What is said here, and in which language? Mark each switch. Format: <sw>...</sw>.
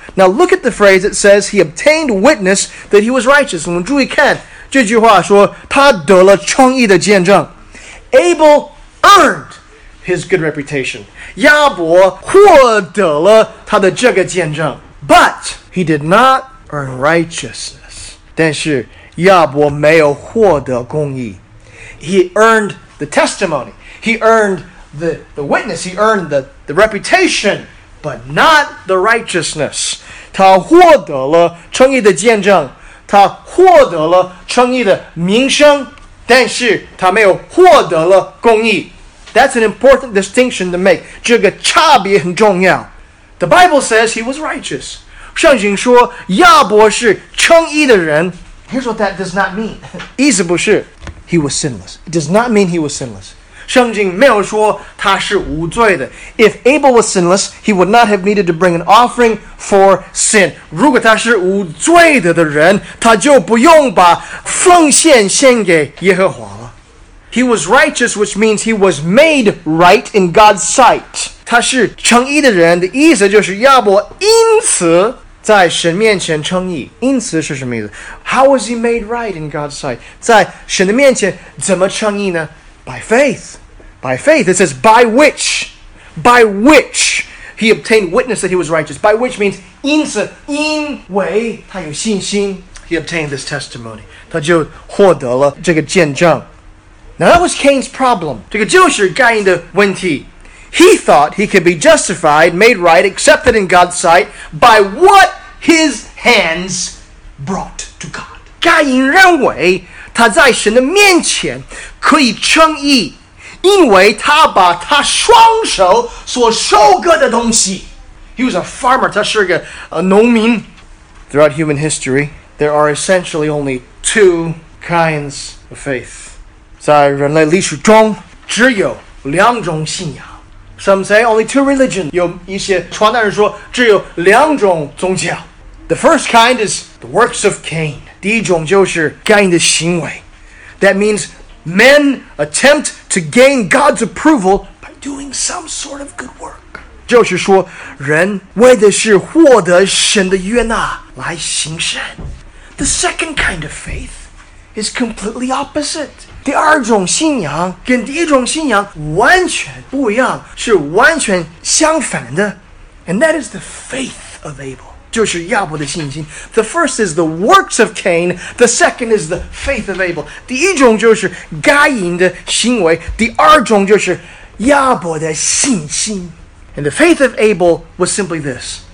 <en>Now look at the phrase that says he obtained witness that he was righteous.</en> <zh>我们注意看这句话说他得了称义的见证。</zh> <en>Abel earned his good reputation.</en> <zh>亚伯获得了他的这个见证。</zh> <en>But he did not earn righteousness.</en> <zh>但是亚伯没有获得公义。</zh> <en>He earned the testimony. He earned the witness. He earned the reputation. But not the righteousness.</en> <zh>他获得了称义的见证。他获得了称义的名声。但是他没有获得了公义。</zh> <en>That's an important distinction to make.</en> <zh>这个差别很重要。</zh> <en>The Bible says he was righteous.</en> <zh>圣经说亚伯是称义的人。</zh> <en>Here's what that does not mean.</en> <zh>意思不是</zh> <en>he was sinless. It does not mean he was sinless.</en> <zh>圣经没有说他是无罪的。</zh> <en>If Abel was sinless, he would not have needed to bring an offering for sin.</en> <zh>如果他是无罪的的人，他就不用把奉献献给耶和华了。</zh> <en>He was righteous, which means he was made right in God's sight.</en> <zh>他是称义的人的意思就是亚伯因此在神面前称义，因此是什么意思？</zh> <en>How was he made right in God's sight?</en> <zh>在神的面前怎么称义呢？</zh> <en>By faith. By faith. It says by which. By which he obtained witness that he was righteous. By which means</en> <zh>因此，因为他有信心。</zh> <en>He obtained this testimony.</en> <zh>他就获得了这个见证。</zh> <en>Now that was Cain's problem.</en> <zh>这个就是该隐的问题。</zh> <en>He thought he could be justified, made right, accepted in God's sight by what his hands brought to God.</en> <zh>该隐认为他在神的面前可以称义，因为他把他双手所收割的东西。</zh> <en>He was a farmer.</en> <zh>他是个农民。</zh> <en>Throughout human history, there are essentially only two kinds of faith.</en> <zh>在人类历史中，只有两种信仰。</zh> <en>Some say only two religions.</en> <zh>有一些传道人说只有两种宗教。</zh> <en>The first kind is the works of Cain.</en> <zh>第一种就是该隐的行为。</zh> <en>That means men attempt to gain God's approval by doing some sort of good work.</en> <zh>就是说人为的是获得神的悦纳来行善。</zh> <en>The second kind of faith is completely opposite.</en> <zh>第二种信仰跟第一种信仰完全不一样，是完全相反的。</zh> <en>And that is the faith of Abel.</en> <zh>就是亚伯的信心。</zh> <en>The first is the works of Cain. The second is the faith of Abel.</en> <zh>第一种就是该隐的行为，第二种就是亚伯的信心。</zh> <en>And the faith of Abel was simply this.</en>